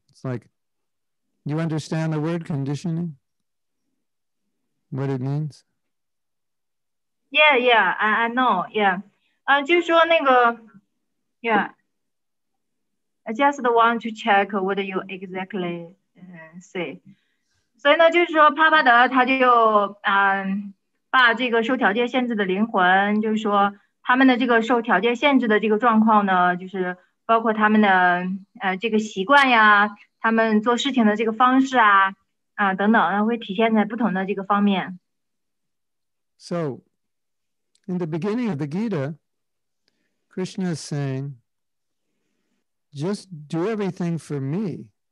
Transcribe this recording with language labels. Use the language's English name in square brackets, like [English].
[English] It's like, you understand the word conditioning? What it means? Yeah, I know, yeah. [Chinese] 就说那个, [English] yeah. I just want to check what you exactly say. [Chinese] 所以呢，就是说帕帕德他就把这个受条件限制的灵魂，就是说他们的这个受条件限制的这个状况呢，就是包括他们的这个习惯呀，他们做事情的这个方式啊等等，会体现在不同的这个方面。 [English] So, in the beginning of the Gita, Krishna is saying, "Just do everything for me."